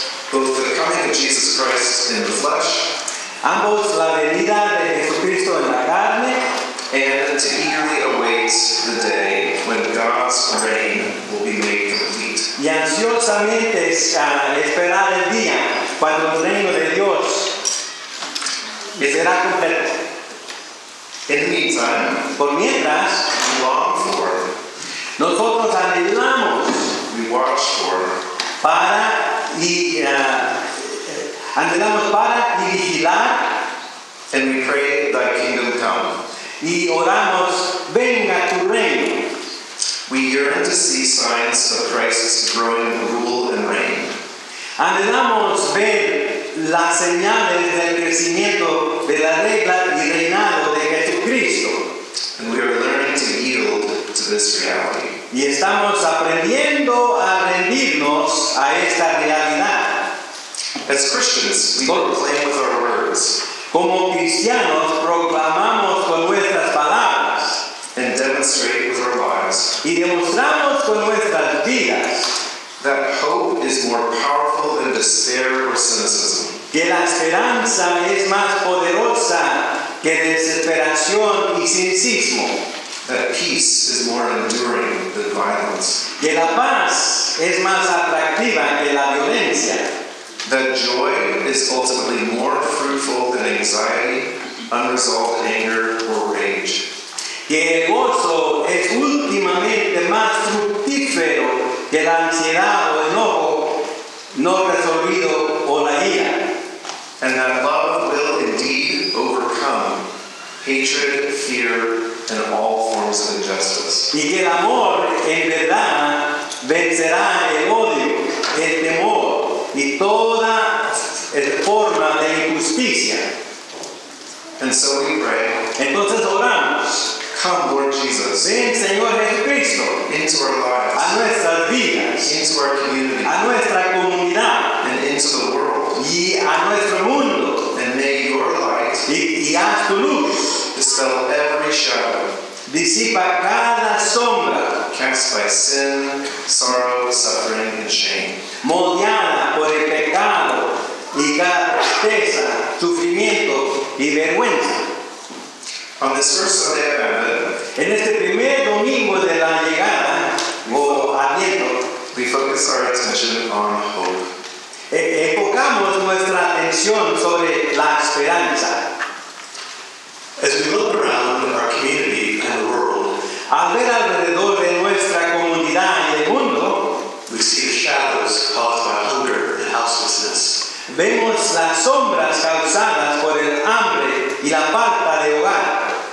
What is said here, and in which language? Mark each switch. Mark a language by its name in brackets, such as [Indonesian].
[English] Both the coming of Jesus Christ in the flesh. [Spanish] Ambos la venida de Jesucristo en la carne. [English] And to eagerly await the day when God's reign will be made complete. [Spanish] Y ansiosamente esperar el día cuando el reino de Dios será completo. [English] In the meantime, [Spanish] por mientras, [English] we long for, [Spanish] nosotros anhelamos, [English] we watch for, [Spanish] para y anhelamos para y vigilar, [English] and we pray thy kingdom come, [Spanish] y oramos, venga tu reino. [English] We yearn to see signs of Christ's growing rule and reign. [Spanish] Anhelamos ver las señales del crecimiento de la regla y reinado de Jesucristo. [English] And we are learning to yield to this reality. [Spanish] Y estamos aprendiendo a rendirnos a esta realidad. [English] As Christians, we proclaim with our words. [Spanish] Como cristianos, proclamamos con nuestras palabras. [English] And demonstrate with our lives. [Spanish] Y demostramos con nuestras vidas. [English] That hope is more powerful than despair or cynicism. [Spanish] Que la esperanza es más poderosa que desesperación y cinismo. [English] That peace is more enduring than violence. [Spanish] Que la paz es más atractiva que la violencia. [English] That joy is ultimately more fruitful than anxiety, unresolved anger, or rage. [Spanish] Que el gozo es últimamente más fructífero que la ansiedad o enojo no resolvido o la ira. [English] And that love will indeed overcome hatred, fear, and all forms of injustice. [Spanish] Y que el amor en verdad vencerá el odio, el temor y toda forma de injusticia. [English] And so we pray. [Spanish] Entonces oramos. [English] Come, Lord Jesus. [Spanish] Ven, Señor Jesucristo. [English] Into our lives. [Spanish] A nuestras vidas. [English] Into our community. [Spanish] A nuestra comunidad. [English] And into the world. [Spanish] Y a nuestro mundo. [English] And may your light. [Spanish] Y haz tu luz. [English] Dispel every shadow. [Spanish] Disipa cada sombra. [English] Cast by sin, sorrow, suffering, and shame. [Spanish] Moldeada por el pecado y cada tristeza, sufrimiento y vergüenza. [English] On this first Sunday of Advent, [Spanish] en este primer domingo de la llegada, o Adviento, [English] we focus our attention on hope. [Spanish] Enfocamos nuestra atención sobre la esperanza. [English] As we look around in our community and the world, [Spanish] al ver alrededor de nuestra comunidad y el mundo, [English] we see the shadows caused by hunger and houselessness. [Spanish] Vemos las sombras causadas por el hambre y la falta de hogar.